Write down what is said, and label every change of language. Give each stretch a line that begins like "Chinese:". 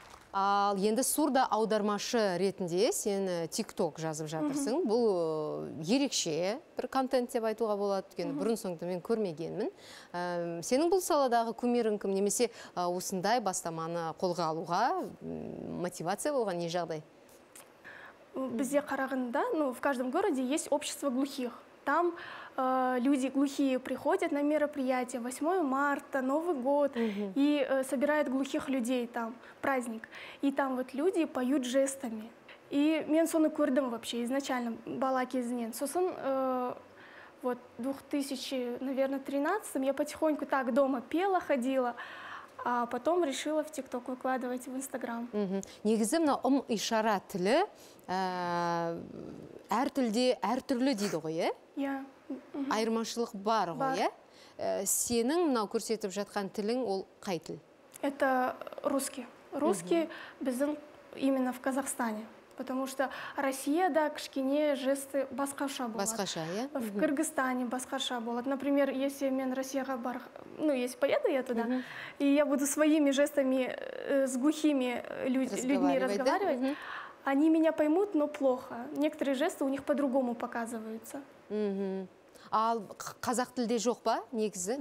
Kazakh: Ал енді сурда аудармашы ретінде сен TikTok жазып жатырсың. Бұл ерекше бір контент деп айтуға болады, өйткені бұрын-соңды мен көрмегенмін. Сенің бұл саладағы кумирің кім, немесе осындай бастаманы қолға алуға мотивация болған не жағдай? Бізде Қарағандыда,
Russian: ну, в каждом городе есть общество глухих. Там люди глухие приходят на мероприятия 8 марта, Новый год, и собирают глухих людей там, праздник. И там вот люди поют жестами.
Kazakh: И мен соны көрдім
Russian: вообще изначально,
Kazakh: бала кезінен.
Russian: Сосын, вот, 2013-м я потихоньку так дома пела, ходила, а потом решила в TikTok выкладывать, в Instagram.
Kazakh: Негізі мына ым ишара тілі әр тілде әр түрлі дейді ғой, иә? Айырмашылық бар ғой, иә? Сенің мынау көрсетіп жатқан тілің ол қай тіл?
Russian: Это русский. Русский біздің именно в Казахстане. Потому что
Kazakh: Россияда кішкене жесті басқаша болады. Басқаша, иә?
Russian: В Кыргызстане
Kazakh: басқаша болады.
Russian: Например, если
Kazakh: мен Россияға бар,
Russian: ну, если поеду я туда, и я буду своими жестами с глухими людьми разговаривать, да? Они меня поймут, но плохо. Некоторые жесты у них по-другому показываются.
Kazakh: А қазақ тілде жоқ па, негізі?